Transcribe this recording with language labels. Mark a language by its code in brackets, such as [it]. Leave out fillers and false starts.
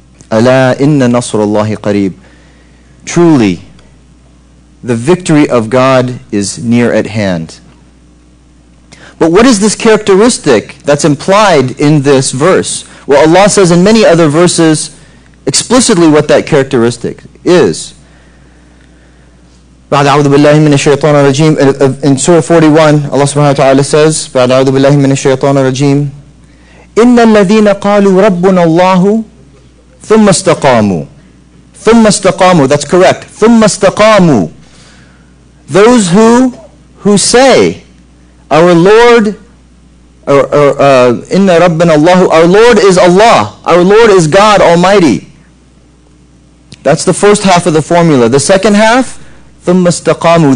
[ar] Ala inna nasrullahi qareeb. [en] Truly, the victory of God is near at hand. But what is this characteristic that's implied in this verse? Well, Allah says in many other verses explicitly what that characteristic is. [ar] بعد أعوذ بالله من الشيطان الرجيم. [en] In Surah 41, Allah subhanahu wa ta'ala says, [ar] بعد أعوذ بالله من الشيطان الرجيم. إن الذين قالوا ربنا الله ثم استقاموا. ثم استقاموا. [en] That's correct. [ar] ثم استقاموا. [en] Those who say, our Lord, [ar] إن ربنا الله, [en] our Lord is Allah, our Lord is God Almighty. That's the first half of the formula. The second half, [ar] ثُمَّ اسْتَقَامُوا.